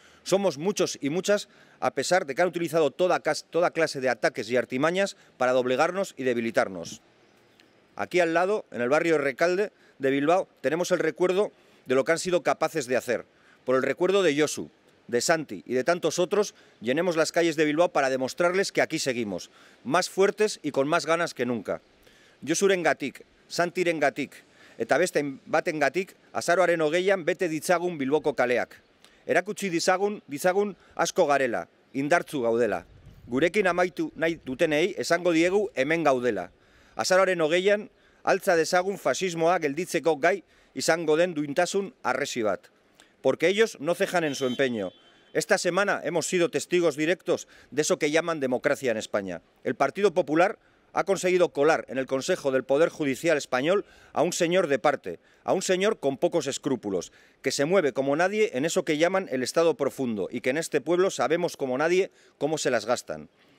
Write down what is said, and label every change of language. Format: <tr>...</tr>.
<es>Somos muchos y muchas a pesar de que han utilizado toda clase de ataques y artimañas para doblegarnos y debilitarnos. Aquí al lado, en el barrio Recalde de Bilbao, tenemos el recuerdo de lo que han sido capaces de hacer. Por el recuerdo de Josu, de Santi y de tantos otros, llenemos las calles de Bilbao para demostrarles que aquí seguimos, más fuertes y con más ganas que nunca.</es> <eu>Josurengatik, Santirengatik, eta beste batengatik, azaroaren 20an bete ditzagun Bilboko kaleak. Erakutsi dizagun asko garela, indartzu gaudela. Gurekin amaitu nahi dutenei esango diegu hemen gaudela. Azaroaren 20an altza dezagun fasismoa gelditzeko gai izango den duintasun arresi bat.</eu> <es>Porque ellos no cejan en su empeño. Esta semana hemos sido testigos directos de eso que llaman democracia en España. El Partido Popular ha conseguido colar en el Consejo del Poder Judicial Español a un señor de parte, a un señor con pocos escrúpulos, que se mueve como nadie en eso que llaman el Estado profundo y que en este pueblo sabemos como nadie cómo se las gastan.</es>